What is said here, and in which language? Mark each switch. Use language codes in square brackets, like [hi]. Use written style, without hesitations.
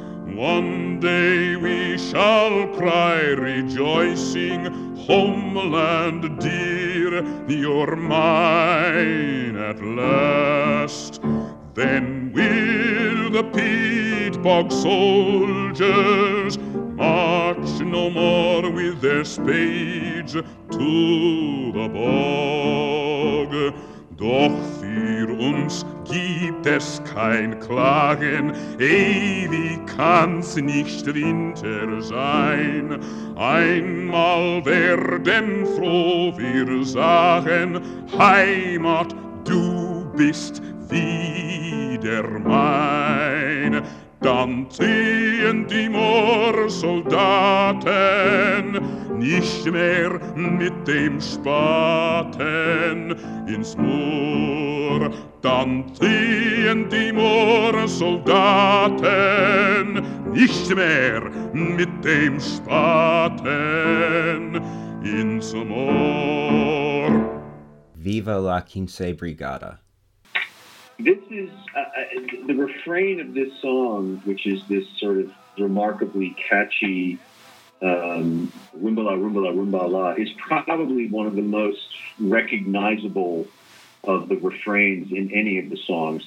[en] One day we shall cry rejoicing, homeland dear, you're mine at last. Then will the Peatbox Soldiers march no more with their spades to the bog. [de] Doch für uns gibt es kein Klagen, ewig kann's nicht Winter sein. Einmal werden froh wir sagen, Heimat, du bist wieder mein. Dann ziehen die Moorsoldaten nicht mehr mit dem Spaten ins Moor. Dann ziehen die Moorsoldaten nicht mehr mit dem Spaten ins Moor. [es] Viva la Quince Brigada. [en] This is the refrain of this song, which is this sort of remarkably catchy rumbala, rumbala, rumbala, is probably one of the most recognizable of the refrains in any of the songs.